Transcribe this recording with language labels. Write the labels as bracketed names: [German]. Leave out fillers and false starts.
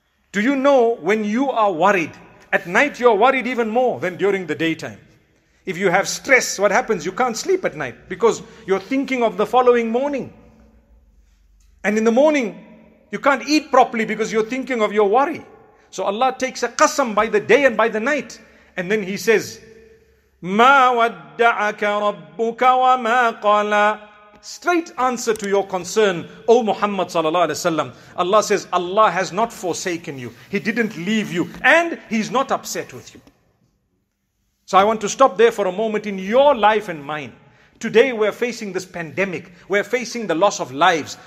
[English] Do you know when you are worried? At night you are worried even more than during the daytime. If you have stress, what happens? You can't sleep at night because you're thinking of the following morning. And in the morning, you can't eat properly because you're thinking of your worry. So Allah takes a qasam by the day and by the night. And then He says, [Arabic] مَا وَدَّعَكَ رَبُّكَ وَمَا قَالَ. [English] Straight answer to your concern, O Muhammad sallallahu alaihi wasallam. Allah says, Allah has not forsaken you. He didn't leave you. And He's not upset with you. So I want to stop there for a moment in your life and mine. Today we're facing this pandemic. We're facing the loss of lives.